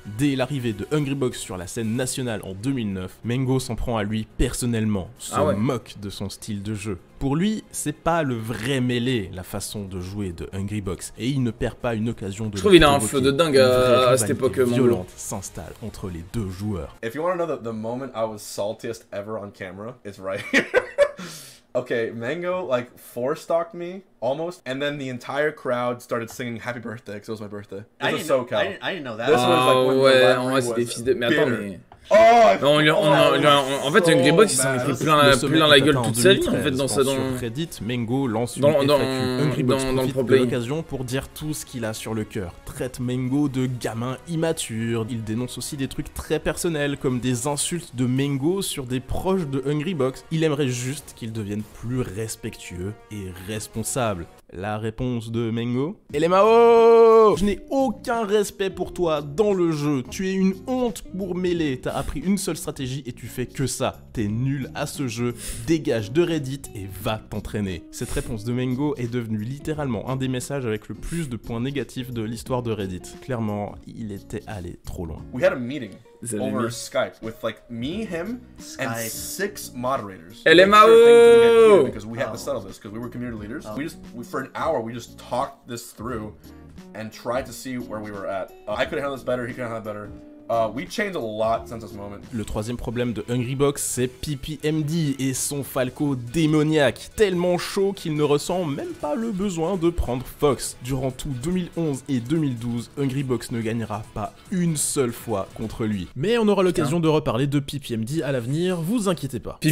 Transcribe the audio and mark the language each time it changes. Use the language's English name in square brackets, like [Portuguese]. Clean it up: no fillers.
[French] Dès l'arrivée de Hungrybox sur la scène nationale en 2009, Mango s'en prend à lui personnellement, moque de son style de jeu. Pour lui, c'est pas le vrai Melee, la façon de jouer de Hungrybox, et il ne perd pas une occasion de trouver un feu de dingue à cette époque. Violente s'installe entre les deux joueurs. [English] If you want to know the moment I was saltiest ever on camera, it's right here. Okay, Mango like four stalked me almost, and then the entire crowd started singing Happy Birthday because it was my birthday. This was so cool. I didn't know that. This was like one of my favorite. Oh, [French] non, en fait, Hungrybox il s'en est pris plein la gueule toute sa vie. En fait, dans sur Reddit, Mango lance une FAQ. Hungrybox profite de l'occasion pour dire tout ce qu'il a sur le cœur. Traite Mango de gamin immature. Il dénonce aussi des trucs très personnels, comme des insultes de Mango sur des proches de Hungrybox. Il aimerait juste qu'il devienne plus respectueux et responsable. La réponse de Mango. LMAO, je n'ai aucun respect pour toi dans le jeu. Tu es une honte pour Melee. T'as appris une seule stratégie et tu fais que ça. T'es nul à ce jeu. Dégage de Reddit et va t'entraîner. Cette réponse de Mango est devenue littéralement un des messages avec le plus de points négatifs de l'histoire de Reddit. Clairement, il était allé trop loin. [English] We had a meeting over Skype with like me, him, and six moderators. LMAO! Because we had to settle this because we were community leaders. For an hour, we just talked this through and tried to see where we were at. I could handle this better, he could handle it better. We changed a lot since this moment. [French] Le troisième problème de Hungrybox, c'est PPMD et son Falco démoniaque, tellement chaud qu'il ne ressent même pas le besoin de prendre Fox. Durant tout 2011 et 2012, Hungrybox ne gagnera pas une seule fois contre lui. Mais on aura l'occasion de reparler de PPMD à l'avenir, vous inquiétez pas.